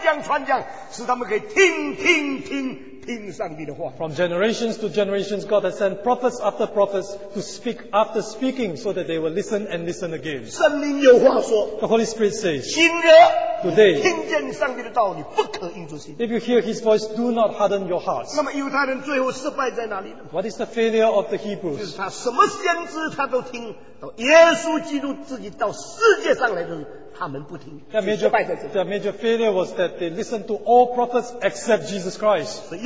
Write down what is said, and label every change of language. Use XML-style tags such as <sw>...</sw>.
<zh>有就立志立代上帝差遣先知，把上帝的话传讲，使他们可以听。</zh> <en>From generations to generations, God has sent prophets after prophets to speak after speaking so that they will listen and listen again.</en> <zh>圣灵有话说,</zh> <en>the Holy Spirit says,</en> <zh>今日,</zh> <en>today,</en> <zh>听见上帝的道理,不可硬着心。</zh> <en>If you hear His voice, do not harden your hearts.</en> <zh>那么犹太人最后失败在哪里呢?</zh> <en>What is the failure of the Hebrews?</en> <zh>就是他什么先知他都听, 耶稣基督自己到世界上来的,</zh> <en>Their major failure was that they listened to all prophets except Jesus Christ.</en>